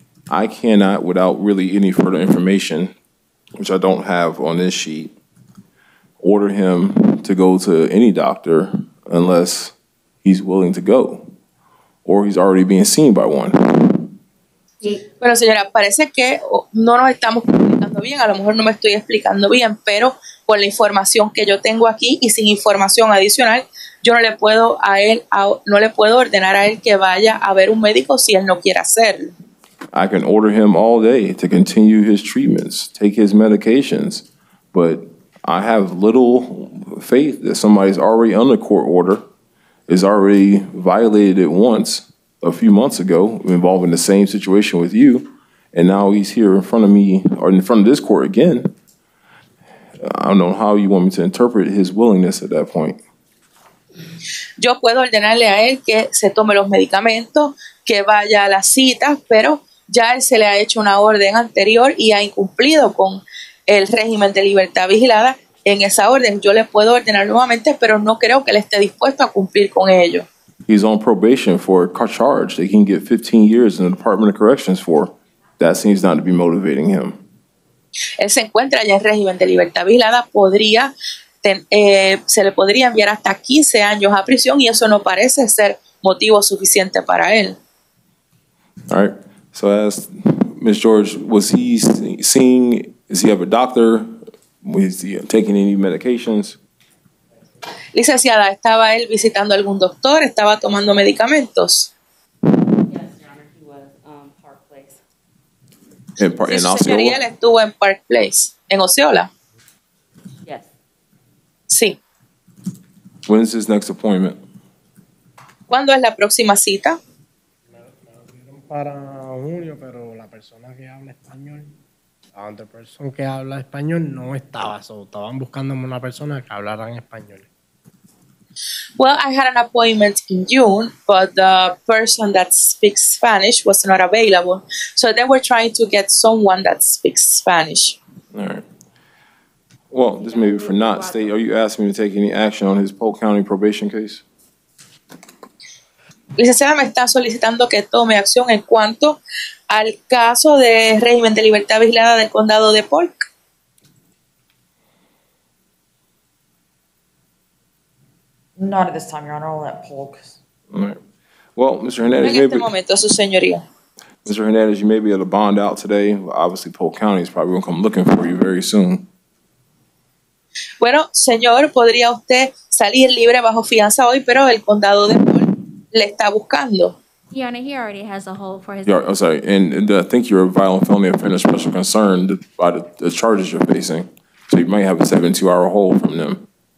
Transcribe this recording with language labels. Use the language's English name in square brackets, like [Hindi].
[English] I cannot, without really any further information, which I don't have on this sheet, order him to go to any doctor unless he's willing to go, or he's already being seen by one. [Spanish] Sí. Bueno, señora, parece que no nos estamos comunicando explicando bien, a lo mejor no me estoy explicando bien, pero con la información que yo tengo aquí y sin información adicional, yo no le puedo a él, no le puedo ordenar a él que vaya a ver un médico si él no quiere hacerlo. [English] I can order him all day to continue his treatments, take his medications, but I have little faith that somebody's already under court order, is already violated it once a few months ago, involving the same situation with you, and now he's here in front of me, or in front of this court again. I don't know how you want me to interpret his willingness at that point. [Spanish] Yo puedo ordenarle a él que se tome los medicamentos, que vaya a las citas, pero ya él se le ha hecho una orden anterior y ha incumplido con el régimen de libertad vigilada. En esa orden yo le puedo ordenar nuevamente, pero no creo que él esté dispuesto a cumplir con ello. [English] He's on probation for a charge that he can get 15 years in the Department of Corrections for. That seems not to be motivating him. [Spanish] Él se encuentra ya en régimen de libertad vigilada, se le podría enviar hasta 15 años a prisión y eso no parece ser motivo suficiente para él. [English] All right. So I asked Ms. George, was he seeing, does he have a doctor? Was he taking any medications? [Spanish] Licenciada, ¿estaba él visitando algún doctor? ¿Estaba tomando medicamentos? [English] Yes, Your Honor, he was Park Place. [Spanish] En Osceola. Él estuvo en Park Place, en Osceola. [English] Yes. [Spanish] Sí. [English] When's his next appointment? [Spanish] ¿Cuándo es la próxima cita? Para junio, pero la persona que habla español, la otra persona que habla español no estaba, so estaban buscándome una persona que hablara en español. [English] Well, I had an appointment in June, but the person that speaks Spanish was not available, so they were trying to get someone that speaks Spanish. All right. Well, this may be for not state. Are you asking me to take any action on his Polk County probation case? [Spanish] Licenciada, me está solicitando que tome acción en cuanto al caso de régimen de libertad vigilada del condado de Polk. [English] Not at this time, Your Honor. I'll let Polk. Right. Well, Mr. Hernandez, [Spanish] en este momento, su señoría. [English] Mr. Hernandez, you may be able to bond out today. Obviously, Polk County is probably going to come looking for you very soon. [Spanish] Bueno, señor, podría usted salir libre bajo fianza hoy, pero el condado de Polk le está buscando. [English] Your Honor, he already has a hold for his... I'm sorry, and I think you're a violent felony offender special concerned by the charges you're facing. So you might have a 72-hour hold from them.